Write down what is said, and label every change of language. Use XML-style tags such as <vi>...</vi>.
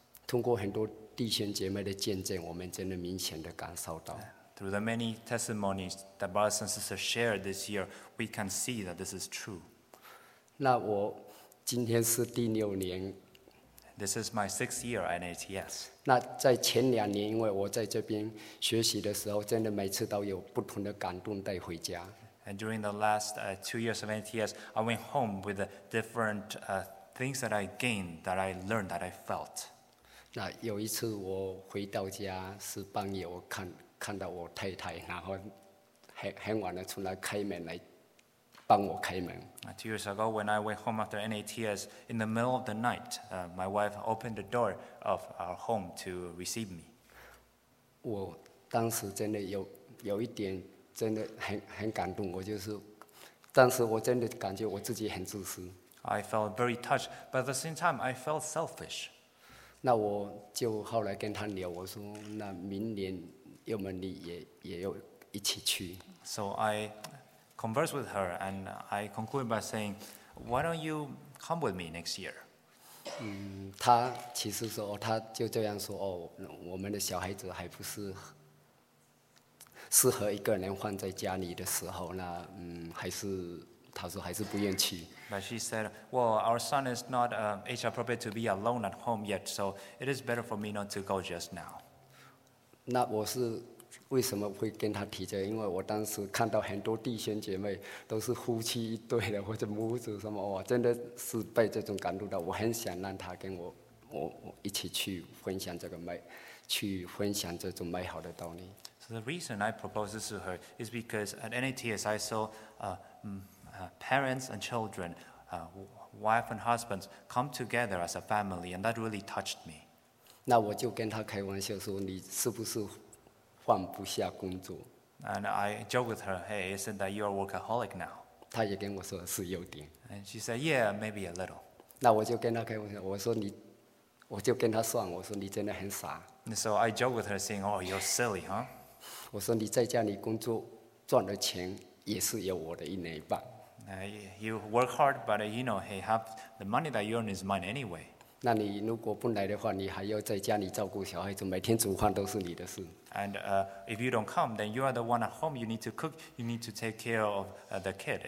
<zh>通过很多弟兄姐妹的见证，我们真的明显的感受到。</zh> <en>Through the many testimonies that brothers and sisters shared this year, we can see that this is true.</en> <zh>那我今天是第六年。</zh> <en>This is my sixth year at ATS.</en> <zh>那在前两年，因为我在这边学习的时候，真的每次都有不同的感动带回家。</zh> <en>And during the last two years of ATS, I went home with the different things that I gained, that I learned, that I felt.</en> <zh>那有一次我回到家是半夜，我看到我太太，然后很晚的出来开门来帮我开门。</zh> <en>Two years ago, when I went home after NATS, in the middle of the night, my wife opened the door of our home to receive me.</en> <zh>我当时真的有一点真的很感动，我就是，当时我真的感觉我自己很自私。</zh> <en>I felt very touched, but at the same time, I felt selfish.</en> <zh>那我就后来跟他聊，我说那明年要么你也要一起去。</zh> <en>So I conversed with her, and I concluded by saying, "Why don't you come with me next year?"</en> <zh>她其实说，她就这样说，哦，我们的小孩子还不是适合一个人放在家里的时候，那还是她说还是不愿去。</zh> <en>But she said, "Well, our son is not age appropriate to be alone at home yet, so it is better for me not to go just now."</en> <zh>那我是为什么会跟他提这个？因为我当时看到很多弟兄姐妹都是夫妻一对的，或者母子什么，我真的是被这种感动到。我很想让他跟我一起去分享这个美，去分享这种美好的道理。</zh> <en>So the reason I proposed this to her is because at NATS I saw parents and children, wife and husbands come together as a family, and that really touched me.</en> <zh>那我就跟他开玩笑说，你是不是放不下工作。</zh> <en>And I joked with her, "Hey, isn't that you're a workaholic now?"</en> <zh>她也跟我说是有点。</zh> <en>And she said, "Yeah, maybe a little."</en> <zh>那我就跟她开玩笑，我就跟她说你真的很傻。</zh> <en>So I joked with her, saying, "Oh, you're silly, huh?"</en> <zh>我说你在家里工作赚的钱也是有我的一年半。</zh> <en>You work hard, but you know, hey, have the money that you earn is mine anyway.</en> <zh>那你如果不来的话，你还要在家里照顾小孩子，每天煮饭都是你的事。</zh> <en>And if you don't come, then you are the one at home. You need to cook. You need to take care of the kid.</en>